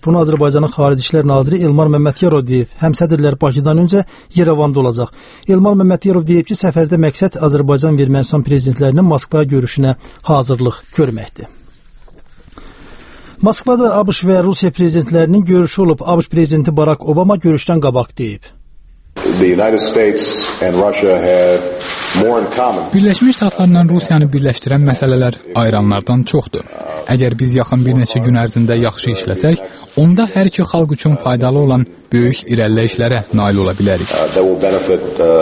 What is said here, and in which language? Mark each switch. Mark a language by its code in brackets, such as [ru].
[az] Bunu Azərbaycanın xarici işlər naziri Elmar Məmmədkarov deyib. Həmsədrlər Bakıdan öncə Yerevanda olacaq. Elmar Məmmədkarov deyib ki, səfərdə məqsəd Azərbaycan və Ermənistan prezidentlərinin Moskva görüşünə hazırlıq görməkdir. Moskvada ABŞ və Rusiya prezidentlərinin görüşü olub. ABŞ prezidenti Barack Obama görüşdən qabaq deyib. [en] The United States and Russia have more in common. [az] Birləşmiş Ştatlarla Rusiyanı birləşdirən məsələlər ayranlardan çoxdur. Əgər biz yaxın bir neçə gün ərzində yaxşı işləsək, onda hər iki xalq üçün faydalı olan böyük irəliləyişlərə nail ola bilərik.